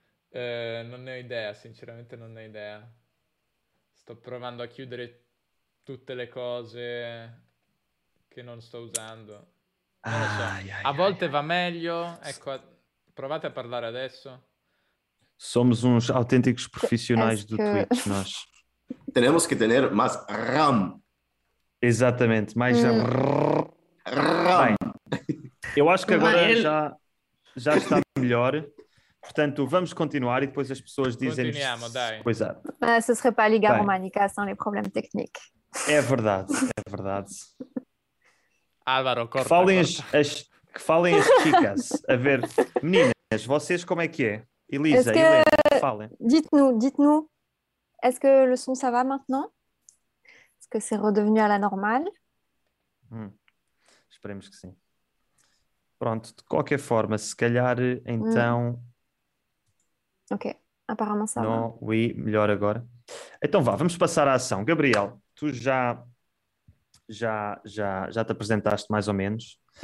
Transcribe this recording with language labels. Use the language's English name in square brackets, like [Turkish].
[Italian] non ne ho idea, sinceramente non ne ho idea. Sto provando a chiudere tutte le cose che non sto usando. Non lo so. A volte va meglio. Ecco, provate a parlare adesso. [Portuguese] Somos uns autênticos profissionais do Twitch, nós. Temos que ter mais RAM. Exatamente, mais RAM. Bem, eu acho que agora já está melhor. Portanto, vamos continuar e depois as pessoas dizem... [Italian] Continuamos, dai. [Portuguese] Pois é. Mas se seria para ligar românica, são os problemas técnicos. É verdade, é verdade. Álvaro, corta. Que falem as chicas. A ver, meninas, vocês como é que é? Elisa, [French] est-ce que... Elena, dites-nous, est-ce que le son ça va maintenant? Est-ce que c'est redevenu à la normale? [Portuguese] Esperemos que sim. Pronto, de qualquer forma, se calhar, então... [French] Ok, apparemment ça va. Non, [Portuguese] oui, melhor agora. Então vá, vamos passar à ação. Gabriel, tu já te apresentaste mais ou menos...